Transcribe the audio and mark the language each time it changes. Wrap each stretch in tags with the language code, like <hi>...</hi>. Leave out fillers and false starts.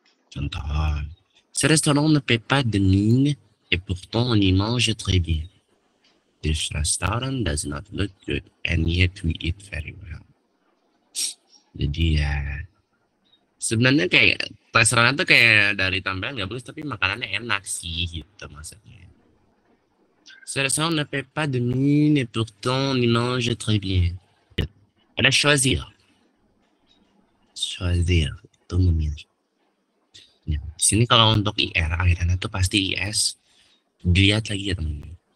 <id>Contoh,</id> <fr>ce restaurant ne paye pas de mine et pourtant on y mange très bien.</fr> <en>This restaurant does not look good and yet we eat very well.</en> <id>Jadi ya, sebenarnya kayak restoran itu kayak dari tampilan nggak bagus tapi makanannya enak sih gitu maksudnya.</id> <fr>Cela ne paye pas de mine et pourtant on y mange très bien.</fr> <id>Ada choisir. Choisir itu memilih. Ya, di sini kalau untuk IR akhirnya itu pasti IS. Dilihat lagi ya teman-teman.</id>